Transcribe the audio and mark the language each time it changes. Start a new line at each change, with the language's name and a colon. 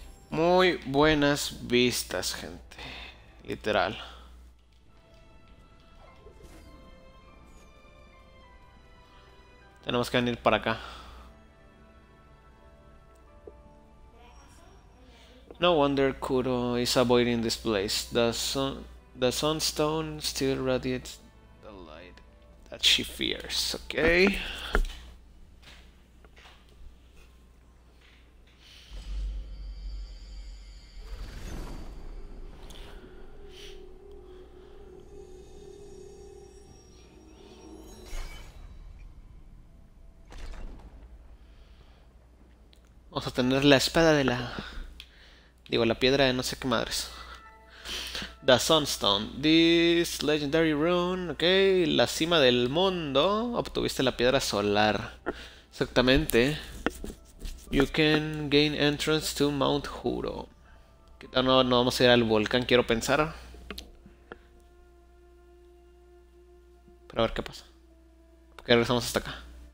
Spanish: Muy buenas vistas, gente. Literal. Tenemos que venir para acá.
English: No wonder Kuro is avoiding this place. The sunstone still radiates the light that she fears. Ok.
Spanish: Vamos a tener la espada de la... Digo, la piedra de no sé qué madres.
English: The Sunstone. This legendary rune. Ok,
Spanish: la cima del mundo. Obtuviste la piedra solar. Exactamente.
English: You can gain entrance to Mount Juro.
Spanish: No, no vamos a ir al volcán, quiero pensar. Pero a ver qué pasa. ¿Por qué regresamos hasta acá?